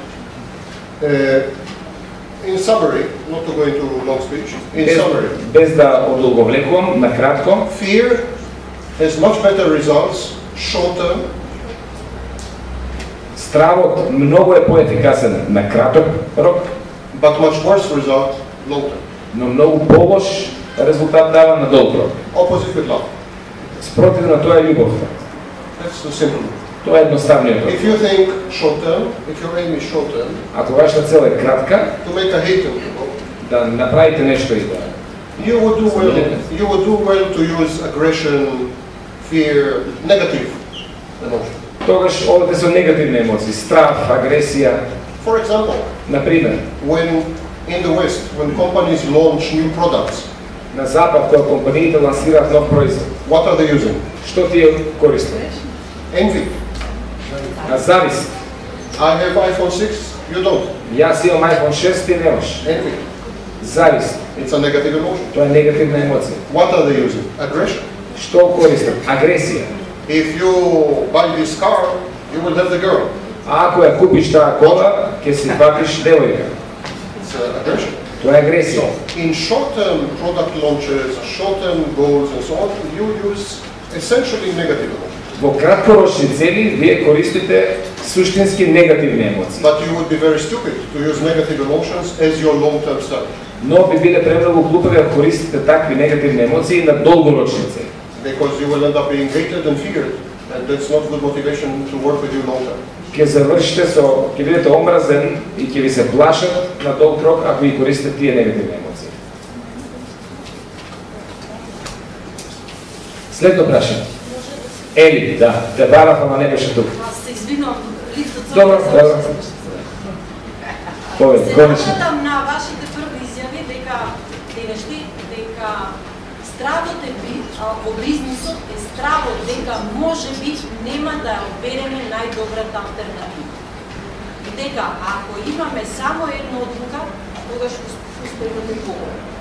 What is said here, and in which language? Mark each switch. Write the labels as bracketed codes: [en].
[en] in summary, not to go into long speech. In summary, [mk] без да одолговлекувам, на кратко. [en] Fear has much better results short term. [mk] Стравот многу е поефикасен на краток рок, [en] but much worse result long term. [mk] Но многу полош резултат дава на долг рок. [en] Opposite with love. [mk] Спротив на тоа е љубов. [en] That's too simple. [mk] Тоа е едноставниот. [en] If you think short term, if your aim is short term, [mk] ако вашата цел е кратка, [en] to make a hit, [mk] да направите нешто и да. [en] You would do well. You would do well to use aggression, fear, negative emotion. [mk] Тогаш овде се негативни емоции, страв, агресија. [en] For example. [mk] На пример. [en] When in the West, when companies launch new products. [mk] На запад кога компаниите лансираат нов производ. [en] What are they using? [mk] Што тие користат? [en] Envy. [mk] На завист. [en] I have iPhone 6, you don't. [mk] Јас имам iPhone 6, ти немаш. [en] Envy. [mk] Завист. [en] It's a negative emotion. [mk] Тоа е негативна емоција. [en] What are they using? Aggression. [mk] Што користат? Агресија. [en] If you buy this car, you will have the girl. [mk] Ако ја купиш таа кола, ќе си бакиш девојка. [en] It's aggression. [mk] Тоа е агресија. [en] In short-term product launches, short-term goals and so on, you use essentially negative emotions. [mk] Во краткорочни цели вие користите суштински негативни емоции. [en] But you would be very stupid to use negative emotions as your long-term strategy. [mk] Но би биле премногу глупави ако користите такви негативни емоции на долгорочни цели. [en] Because you will end up being hated and feared, and that's not good motivation to work with you long-term. [mk] Ќе завршите со, ќе бидете омразен и ќе ви се плашат на долг рок ако ви користите тие негативни емоции. Следно прашање. Ели, да, те барав, ама не беше тук. Аз се извинувам, лицето цело не се беше. Повед, конечно. Се вратам на вашите први изјави, дека денешни, дека стравот е би, во бризнисот е стравот, дека може би нема да обереме најдобрата алтернатива. И дека, ако имаме само една одлука, тогаш успеваме кога.